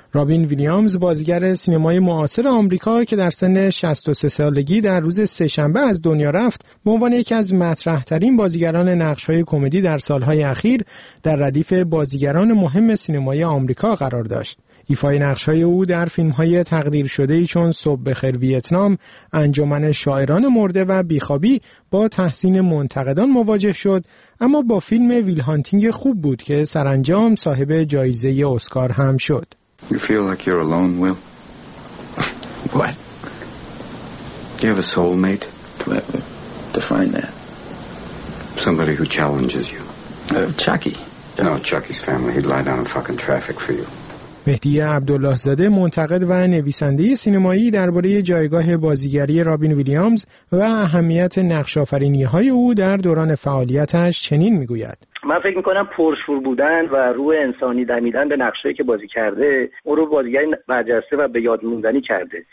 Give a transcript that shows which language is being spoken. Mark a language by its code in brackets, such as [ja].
[fa] رابین ویلیامز، بازیگر سینمای معاصر آمریکا که در سن 63 سالگی در روز سه‌شنبه از دنیا رفت، به عنوان یکی از مطرح‌ترین بازیگران نقش‌های کمدی در سال‌های اخیر در ردیف بازیگران مهم سینمای آمریکا قرار داشت. ایفای نقش‌های او در فیلم‌های تقدیر شده‌ای چون صبح بخیر ویتنام، انجمن شاعران مرده و بیخوابی با تحسین منتقدان مواجه شد، اما با فیلم ویل هانتینگ خوب بود که سرانجام صاحب جایزه اسکار هم شد. [en] You feel like you're alone, Will? What? You have a soulmate? Define that. Somebody who challenges you. Chucky. No, Chucky's family. He'd lie down in fucking traffic for you. [fa] مهدی عبدالله زاده منتقد و نویسنده سینمایی درباره جایگاه بازیگری رابین ویلیامز و اهمیت نقش‌آفرینی‌های او در دوران فعالیتش چنین می‌گوید: من فکر می‌کنم پرشور بودن و روح انسانی دمیدن به نقشه‌ای که بازی کرده او رو بازیگری برجسته و به یاد موندنی کرده.